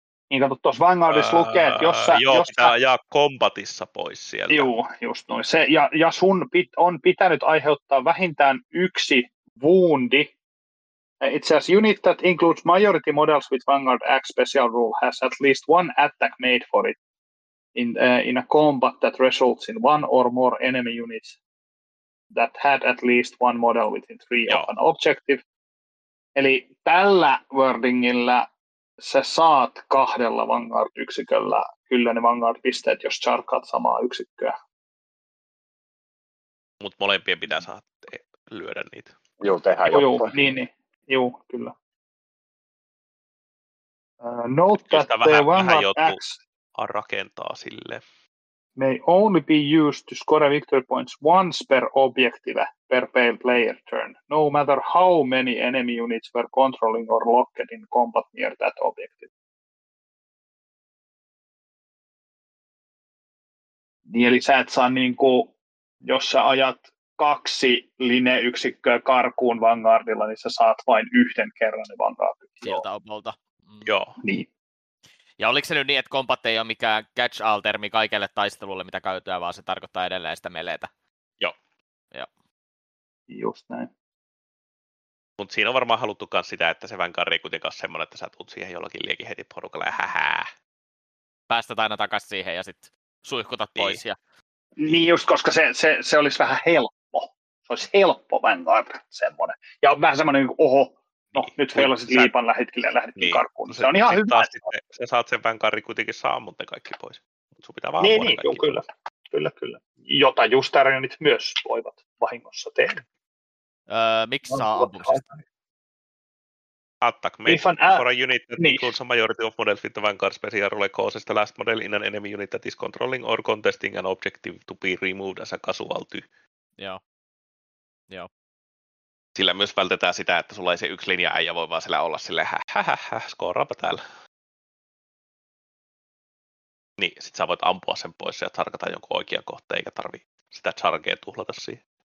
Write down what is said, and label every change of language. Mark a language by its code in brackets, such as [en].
[fi] Niin kato, tuossa Vanguardissa lukee, että jos sä ajaa kombatissa pois sieltä. Joo, just noin. Se, ja sun on pitänyt aiheuttaa vähintään yksi woundi. [en] Itse asiassa unit that includes majority models with Vanguard X special rule has at least one attack made for it in a combat that results in one or more enemy units that had at least one model within three of an objective. [fi] Eli tällä wordingillä sä saat kahdella Vanguard-yksiköllä kyllä ne Vanguard-pisteet, jos charkaat samaa yksikköä. Mutta molempien pitää saada lyödä niitä. Joo, tehdään joo. Niin. Joo, kyllä. [en] Note just that the Vanguard X [fi] rakentaa sille. [en] May only be used to score victory points once per objective per pale player turn, no matter how many enemy units were controlling or locked in combat near that objective. [fi] Niin, eli sä et saa, niin kuin, jos sä ajat kaksi lineyksikköä karkuun Vanguardilla, niin sä saat vain yhden kerran ne Vanguardit. Sieltä opolta. Joo. Niin. Ja oliko se nyt niin, että combat ei ole mikään catch-all-termi kaikille taistelulle, mitä käytetään, vaan se tarkoittaa edelleen sitä meleetä? Joo. Joo. Just näin. Mutta siinä on varmaan haluttu myös sitä, että se Vanguard ei kuitenkaan ole semmoinen, että sä tulet siihen jollakin liekin heti porukalla ja hähää. Päästät aina takaisin siihen ja sitten suihkutat pois. Niin, just koska se olisi vähän helppo. Se olisi helppo Vanguard semmoinen. Ja on vähän semmoinen, oho. No, nyt heilasit liipan lähetkille ja lähdettiin karkuun. No se on ihan hyvä. Sä saat sen Vanguardin kuitenkin saamut ne kaikki pois. Mut sun pitää vaan niin, joo, kyllä. Kyllä. Jota just Arionit myös voivat vahingossa tehdä. Miksi saa ammuksesta? [en] Attack me. If an for a unit that includes a majority of models with the Vanguard special rule causes the last model in an enemy unit that is controlling or contesting an objective to be removed as a casualty. [fi] Joo. Sillä myös vältetään sitä, että sulla ei se yksi linja äijä voi vaan siellä olla silleen skoraapa täällä. Niin, sit sä voit ampua sen pois ja tarkata jonkun oikean kohteen, eikä tarvii sitä chargea tuhlata siihen.